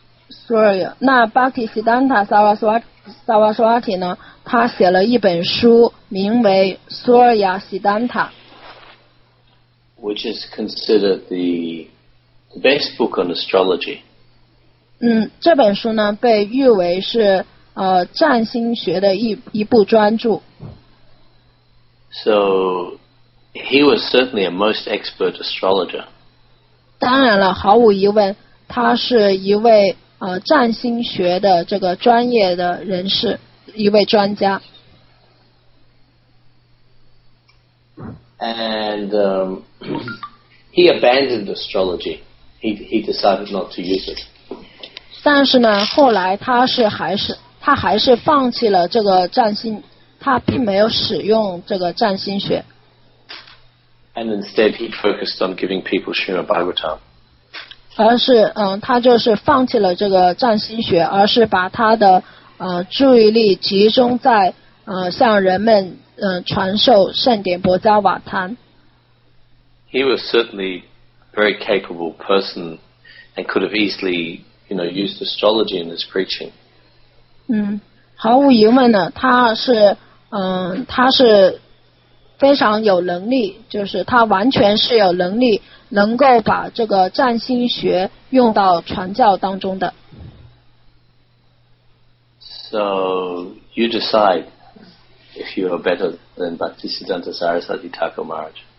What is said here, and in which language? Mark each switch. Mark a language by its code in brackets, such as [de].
[zh] Surya. 那 Bhaktisiddhanta Saraswati Saraswati 呢他写了一本书名为 Surya Siddhanta [en] which is considered the best book on astrology [zh] 这本书呢被誉为是占星学的一部专著 [en] So he was certainly a most expert astrologer [zh] 当然了毫无疑问他是一位占星学的这个专业的人士一位专家 [en] and he abandoned astrology he decided not to use it [zh] 但是呢后来他还是放弃了这个占星他并没有使用这个占星学 [en] and instead he focused on giving people Srimad Bhagavatam [zh] 而是他就是放弃了这个占星学而是把他的注意力集中在向人们传授圣典薄伽瓦坛 [en] He was certainly a very capable person and could have easily you know, used astrology in his preaching [zh] 毫无疑问呢他是非常有能力就是他完全是有能力能够把这个占星学用到传教当中的 [en] So you decide if you are better than Bhaktisiddhanta Sarasvati Thakur Maharaj